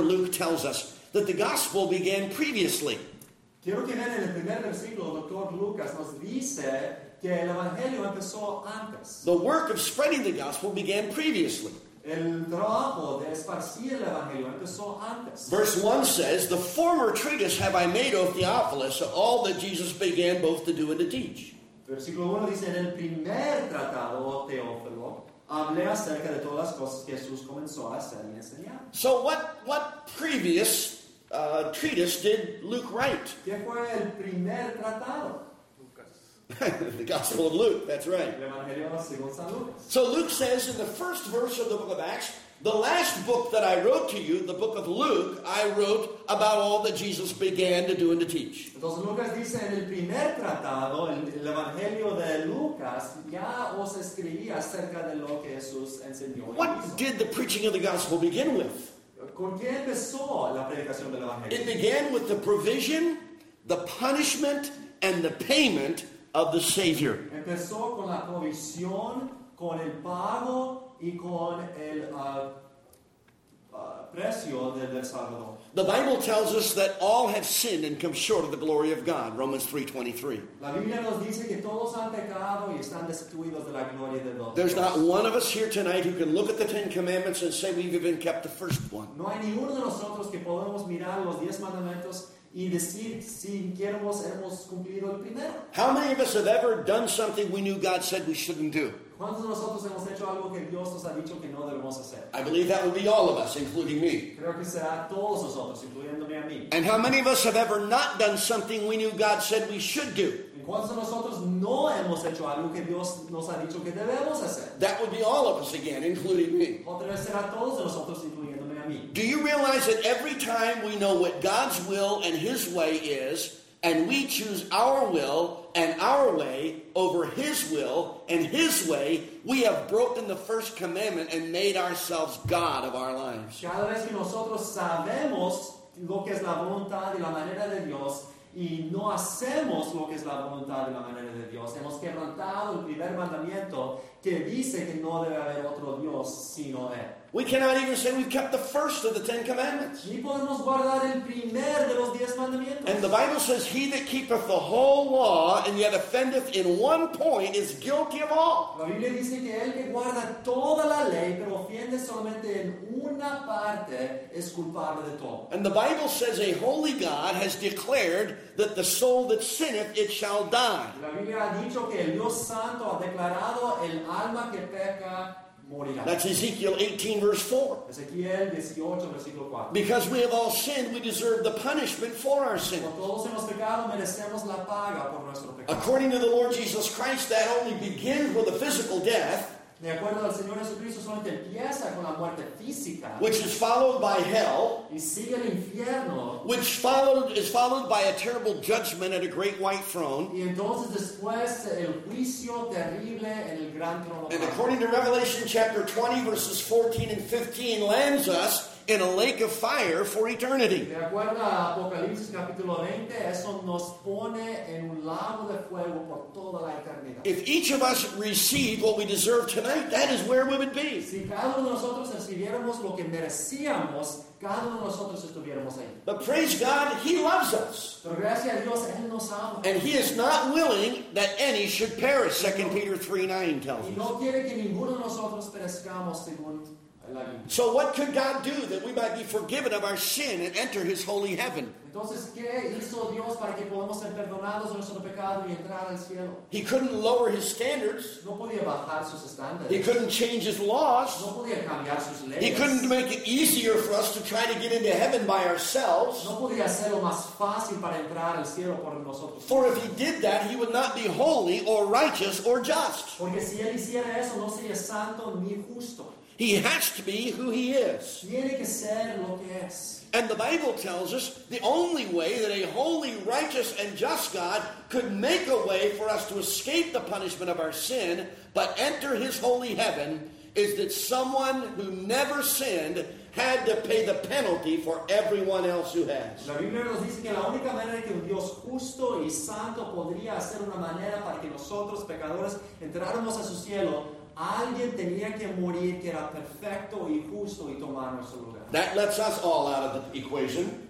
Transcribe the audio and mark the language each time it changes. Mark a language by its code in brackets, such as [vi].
[en] Luke tells us that the gospel began previously. [es] Quiero que vean en el primer versículo, Dr. Lucas nos dice que el evangelio empezó antes. [en] The work of spreading the gospel began previously. [es] El trabajo de esparcir el evangelio empezó antes. [en] Verse 1 says, "The former treatise have I made, O Theophilus, all that Jesus began both to do and to teach." [es] Versículo 1 dice, "En el primer tratado, O Teófilo, hablé acerca de todas las cosas que Jesús comenzó a hacer y enseñar." [en] So what previous treatise did Luke write? [es] ¿Qué fue el primer tratado? [en] The Gospel of Luke, that's right. [es] El Evangelio según San Lucas. [en] So Luke says in the first verse of the book of Acts, "The last book that I wrote to you, the book of Luke, I wrote about all that Jesus began to do and to teach." [es] Entonces Lucas dice en el primer tratado, el Evangelio de Lucas, ya os escribí acerca de lo que Jesús enseñó. [en] What did the preaching of the gospel begin with? [es] ¿Con qué empezó la predicación del Evangelio? [en] It began with the provision, the punishment, and the payment of the Savior. [es] Empezó con la provisión, con el pago, y con el precio del Salvador. [en] The Bible tells us that all have sinned and come short of the glory of God, Romans 3:23. [es] La Biblia nos dice que todos han pecado y están destituidos de la gloria de Dios. [en] There's not one of us here tonight who can look at the Ten Commandments and say we've even kept the first one. [es] No hay ninguno de nosotros que podamos mirar los diez mandamientos y decir si quisiéramos hemos cumplido el primero. [en] How many of us have ever done something we knew God said we shouldn't do? [es] ¿Cuántos de nosotros hemos hecho algo que Dios nos ha dicho que no debemos hacer? [en] I believe that would be all of us, including me. [es] Creo que será todos nosotros, incluyéndome a mí. [en] And how many of us have ever not done something we knew God said we should do? [es] ¿Cuántos de nosotros no hemos hecho algo que Dios nos ha dicho que debemos hacer? [en] That would be all of us again, including me. [es] Otra vez será todos nosotros, incluyéndome a mí. [en] Do you realize that every time we know what God's will and His way is, and we choose our will and our way over His will and His way, we have broken the first commandment and made ourselves God of our lives. [es] Cada vez que nosotros sabemos lo que es la voluntad y la manera de Dios, y no hacemos lo que es la voluntad y la manera de Dios, hemos quebrantado el primer mandamiento que dice que no debe haber otro Dios sino Él. [en] We cannot even say we've kept the first of the Ten Commandments. [es] Ni podemos guardar el primer de los diez mandamientos. [en] And the Bible says, "He that keepeth the whole law and yet offendeth in one point is guilty of all." [es] La Biblia dice que el que guarda toda la ley pero ofende solamente en una parte es culpable de todo. [en] And the Bible says, "A holy God has declared that the soul that sinneth, it shall die." [es] La Biblia ha dicho que el Dios Santo ha declarado el alma que peca. [en] That's Ezekiel 18, verse 4. [es] Ezekiel 18, versículo 4. [en] "Because we have all sinned, we deserve the punishment for our sin." [es] Todos hemos pecado, merecemos la paga por nuestro pecado. [en] According to the Lord Jesus Christ, that only begins with a physical death, [es] de acuerdo al Señor Jesucristo, solamente empieza con la muerte física, [en] which is followed by hell, [es] y sigue el infierno, [en] which is followed by a terrible judgment at a great white throne, [es] y entonces después el juicio terrible en el gran trono. [en] And according to Revelation chapter 20, verses 14 and 15, lands us in a lake of fire for eternity. [es] De acuerdo a Apocalipsis capítulo 20, eso nos pone en un lago de fuego por toda la eternidad. [en] If each of us received what we deserve tonight, that is where we would be. [es] Si cada uno de nosotros recibiéramos lo que merecíamos, cada uno de nosotros estuviéramos ahí. [en] But praise God, He loves us. [es] Pero gracias a Dios, Él nos ama. [en] And He is not willing that any should perish, 2 Peter 3:9 tells us. [es] Y no quiere que ninguno de nosotros perezcamos, según la Biblia. [en] So what could God do that we might be forgiven of our sin and enter His holy heaven? [es] Entonces, ¿qué hizo Dios para que podamos ser perdonados de nuestro pecado y entrar al cielo? [en] He couldn't lower His standards. [es] No podía bajar sus estándares. [en] He couldn't change His laws. [es] No podía cambiar sus leyes. [en] He couldn't make it easier for us to try to get into heaven by ourselves. [es] No podía hacerlo más fácil para entrar al cielo por nosotros. [en] For if He did that, He would not be holy or righteous or just. [es] Porque si Él hiciera eso, no sería santo ni justo. [en] He has to be who He is. [es] Tiene que ser lo que es. [en] And the Bible tells us the only way that a holy, righteous, and just God could make a way for us to escape the punishment of our sin, but enter His holy heaven, is that someone who never sinned had to pay the penalty for everyone else who has. [es] La Biblia nos dice que la única manera que un Dios justo y santo podría hacer una manera para que nosotros, pecadores, entráramos a su cielo, alguien tenía que morir que era perfecto y justo y tomar nuestro lugar. [en] That lets us all out of the equation.